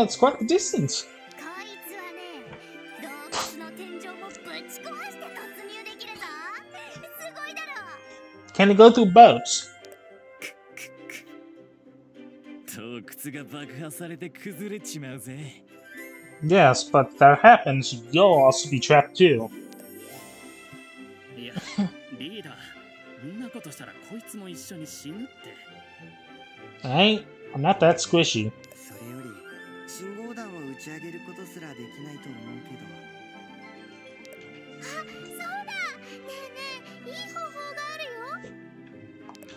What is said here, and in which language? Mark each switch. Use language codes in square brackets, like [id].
[en] Yeah, it's quite a distance. [ja] こいつはね、洞窟の天井もぶち壊して突入できるぞ。すごいだろ。 [en] Can it go through boats? [ja] 洞窟が爆破されて崩れちまうぜ。 [en] Yes, but if that happens, you'll also be trapped too. Yeah, leader. [ja] んなことしたらこいつも一緒に死ぬって。 [en] Hey, I'm not that squishy. [ja] それより信号弾を打ち上げることすらできないと思うけど。あ、そうだ。ねえねえ、いい方法があるよ。